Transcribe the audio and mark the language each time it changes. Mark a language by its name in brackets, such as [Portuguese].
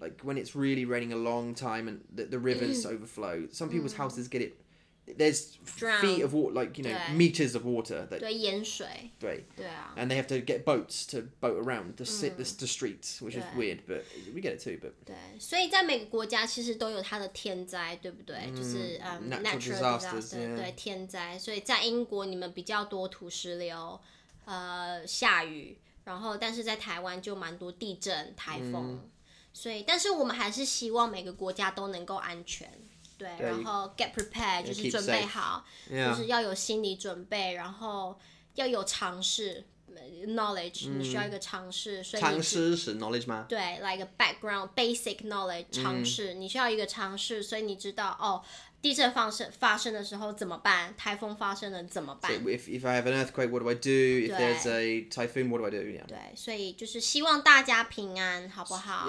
[English] Like, when it's really raining a long time and the rivers overflow, some people's houses get it. There's feet of water, like, you know, meters of water. That, [Chinese] 对,淹水. 对. [English] And they have to get boats to boat around the streets, which is weird, but we get it too. But [Chinese] 对,所以在每个国家其实都有它的天灾, 对不对? 就是, [English] natural disasters. [Chinese] 对,天灾,所以在英国你们比较多土石流, 下雨, 然后但是在台湾就蛮多地震,台风, 所以,但是我们还是希望每个国家都能够安全。对，然后 [English] get prepared， [Chinese] 就是准备好，就是要有心理准备，然后要有常识，knowledge，你需要一个常识，所以常识是 [English] knowledge [Chinese] 吗？对， [English] like a background basic knowledge， [Chinese] 常识，你需要一个常识，所以你知道哦，地震发生的时候怎么办？台风发生了怎么办？So [English] if I have an earthquake, what do I do? If there's a typhoon, what do I do? [Chinese] 对，所以就是希望大家平安，好不好？